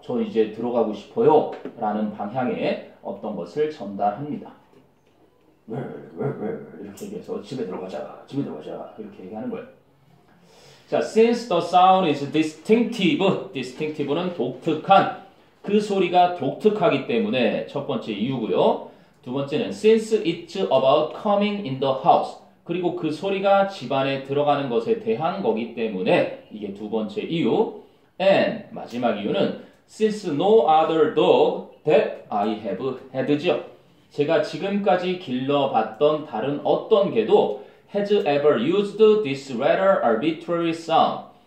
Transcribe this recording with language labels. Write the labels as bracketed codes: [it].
[ko] 저 이제 들어가고 싶어요. 라는 방향에 어떤 것을 전달합니다. 이렇게 얘기해서 집에 들어가자. 집에 들어가자. 이렇게 얘기하는 거예요. [en] 자, since the sound is distinctive. distinctive는 [ko] 독특한. 그 소리가 독특하기 때문에 첫 번째 이유고요. 두 번째는 [en] since it's about coming in the house. [ko] 그리고 그 소리가 집안에 들어가는 것에 대한 거기 때문에 이게 두 번째 이유. [en] And [ko] 마지막 이유는 [en] since no other dog that I have had죠. [ko] 제가 지금까지 길러봤던 다른 어떤 개도 [en] has ever used this rather arbitrary sound.